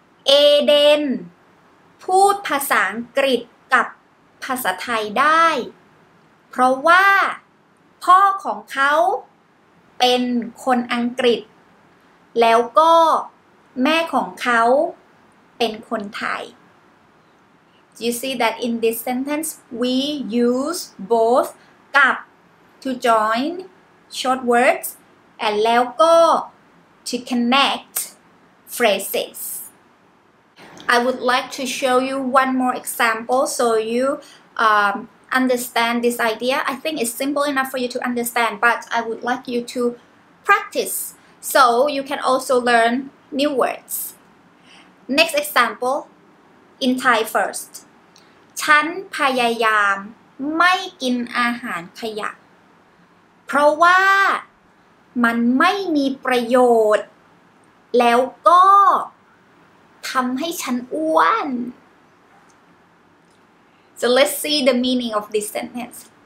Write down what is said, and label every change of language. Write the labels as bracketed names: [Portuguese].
[Thai] Aiden พูดภาษาอังกฤษกับภาษาไทยได้เพราะว่าพ่อของเขาเป็นคนอังกฤษแล้วก็แม่ของเขาเป็นคนไทย [English] You see that in this sentence we use both กับ to join short words and แล้วก็To connect phrases. I would like to show you one more example so you understand this idea. I think it's simple enough for you to understand, but I would like you to practice so you can also learn new words. Next example, in Thai first. [Thai] ฉันพยายามไม่กินอาหารขยะเพราะว่ามันไม่มีประโยชน์แล้วก็ทำให้ฉันอ้วน [English] So let's see the meaning of this sentence.